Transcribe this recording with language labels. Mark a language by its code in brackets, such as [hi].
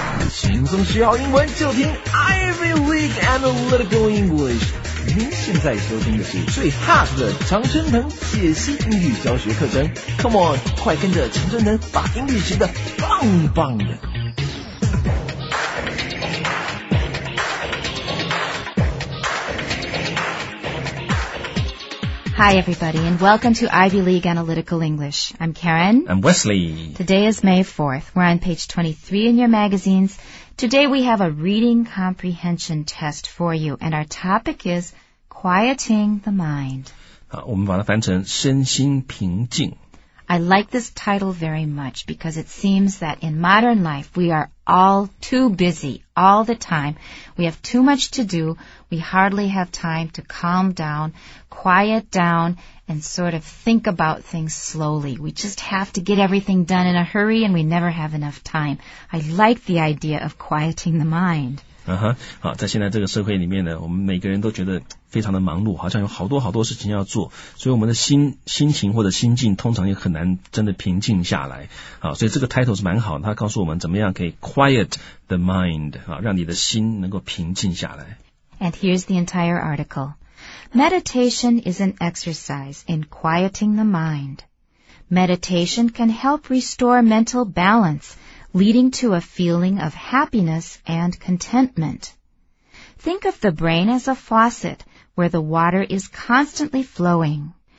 [zh] 轻松学好英文就听 Ivy League Analytical English。您现在收听的是最 hot 的常春藤解析英语教学课程。 [en] Come on， [zh] 快跟着常春藤把英语学得棒棒的。 [en] Hi, everybody, and welcome to Ivy League Analytical English. I'm Karen. I'm Wesley. Today is May 4th. We're on page 23 in your magazines. Today we have a reading comprehension test for you, and our topic is quieting the mind. [zh] 好，我们把它翻成身心平静。 [en] I like this title very much because it seems that in modern life we are all too busy all the time. We have too much to do. We hardly have time to calm down, quiet down, and sort of think about things slowly. We just have to get everything done in a hurry and we never have enough time. I like the idea of quieting the mind. Uh-huh. [zh] 好，在现在这个社会里面呢，我们每个人都觉得非常的忙碌，好像有好多好多事情要做，所以我们的心情或者心境通常也很难真的平静下来。好，所以这个 title 是蛮好的，它告诉我们怎么样可以 [en] quiet the mind， [zh] 让你的心能够平静下来。 [en] And here's the entire article. Meditation is an exercise in quieting the mind. Meditation can help restore mental balance, leading to a feeling of happiness and contentment. Think of the brain as a faucet. Where the water is constantly flowing.